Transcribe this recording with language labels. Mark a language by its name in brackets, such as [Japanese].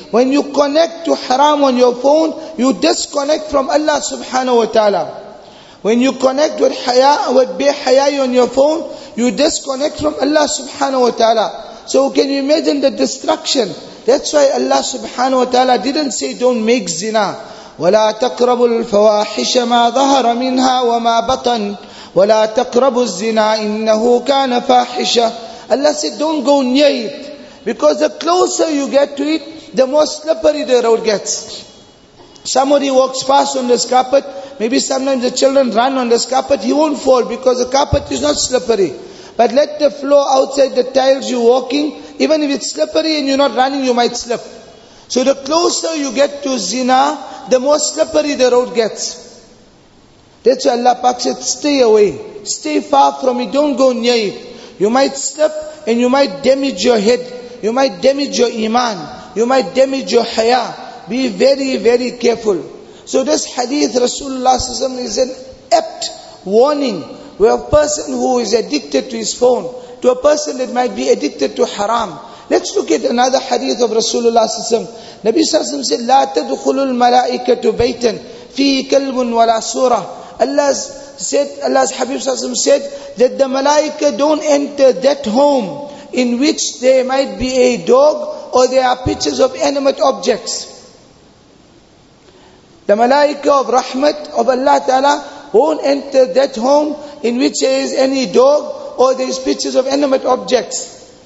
[English] When you connect to haram on your phone, you disconnect from Allah subhanahu wa ta'ala. When you connect with haya, with bay haya on your phone, you disconnect from Allah subhanahu wa ta'ala. So can you imagine the destruction? That's why Allah subhanahu wa ta'ala didn't say don't make zina. [Arabic] وَلَا تَقْرَبُ الْفَوَاحِشَ مَا ظَهَرَ مِنْهَا وَمَا بَطَنْ وَلَا تَقْرَبُ الزِّنَا إِنَّهُ كَانَ فَاحِشَ [English] Allah said don't go near it. Because the closer you get to it, the more slippery the road gets. Somebody walks fast on this carpet, maybe sometimes the children run on this carpet, he won't fall because the carpet is not slippery. But let the floor outside the tiles you're walking, even if it's slippery and you're not running, you might slip. So the closer you get to zina, the more slippery the road gets. That's why Allah Pak said, stay away. Stay far from it. Don't go near it. You might slip and you might damage your head. You might damage your iman. You might damage your haya. Be very, very careful. So this hadith, Rasulullah SAW, is an apt warning. We're a person who is addicted to his phone, to a person that might be addicted to haram. Let's look at another hadith of Rasulullah SAW. Nabi SAW said, [Arabic] لا تدخل الملائكة بيتا فيه كلب ولا سورة. [English] Allah's Habib SAW said that the malaika don't enter that home in which there might be a dog or there are pictures of animate objects. The malaika of rahmat of Allah Ta'ala won't enter that home in which there is any dog or there is pictures of animate objects.